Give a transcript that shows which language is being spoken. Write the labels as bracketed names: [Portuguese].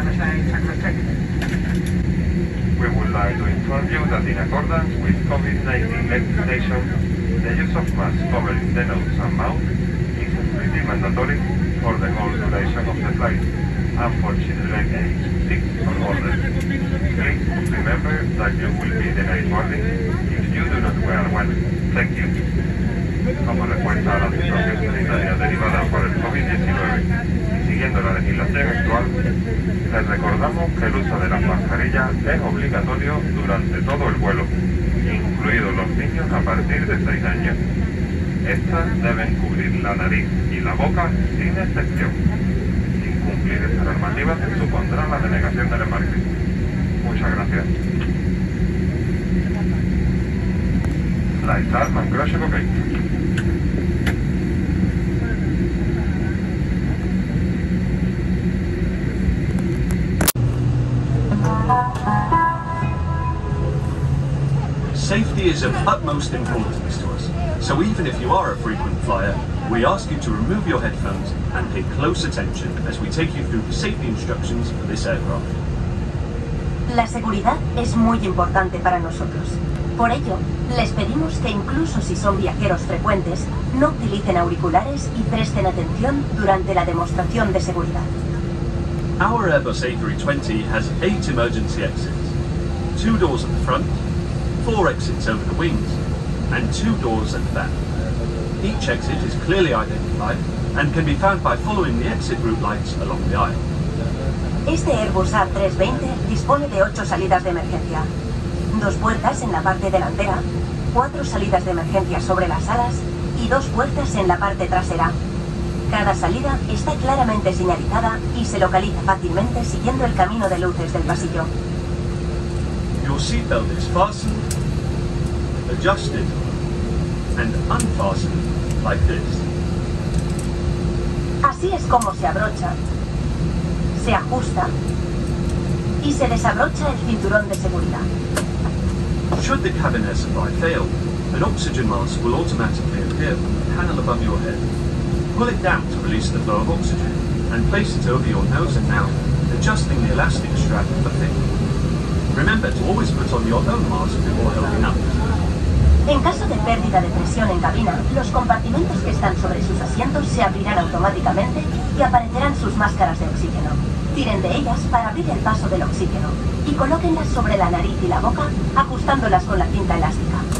[English] We would like to inform you that in accordance with COVID-19 legislation, the use of masks covering the nose and mouth is strictly mandatory for the whole duration of the flight and for children aged 6 or older. Please remember that you will be denied boarding if you do not wear one. Thank you. [Spanish] Como respuesta a la situación sanitaria derivada por el COVID-19 y siguiendo la legislación actual, les recordamos que el uso de las mascarillas es obligatorio durante todo el vuelo, incluidos los niños a partir de 6 años. Estas deben cubrir la nariz y la boca sin excepción. Incumplir esta normativa supondrá la denegación del embarque. Muchas gracias. La Starman Crash Cocaine. [English] Safety is of utmost importance to us, so even if you are a frequent flyer, we ask you to remove your headphones and pay close attention as we take you through the safety instructions for this aircraft. [Spanish] La seguridad es muy importante para nosotros. Por ello, les pedimos que incluso si son viajeros frecuentes, no utilicen auriculares y presten atención durante la demostración de seguridad. [English] Our Airbus A320 has 8 emergency exits, 2 doors at the front, 4 exits over the wings, and 2 doors at the back. Each exit is clearly identified and can be found by following the exit route lights along the aisle. [Spanish] Este Airbus A320 dispone de 8 salidas de emergencia, 2 puertas en la parte delantera, 4 salidas de emergencia sobre las alas y 2 puertas en la parte trasera. Cada salida está claramente señalizada y se localiza fácilmente siguiendo el camino de luces del pasillo. [English] Your seatbelt is fastened, adjusted, and unfastened like this. [Spanish] Así es como se abrocha, se ajusta y se desabrocha el cinturón de seguridad. [English] Should the cabin air supply fail, an oxygen mask will automatically appear from the panel above your head. Pull it down to release the flow of oxygen and place it over your nose and mouth, adjusting the elastic strap for fit. Remember to always put on your own mask before helping up. [Spanish] En caso de pérdida de presión en cabina, los compartimentos que están sobre sus asientos se abrirán automáticamente y aparecerán sus máscaras de oxígeno. Tiren de ellas para abrir el paso del oxígeno y colóquenlas sobre la nariz y la boca, ajustándolas con la cinta elástica.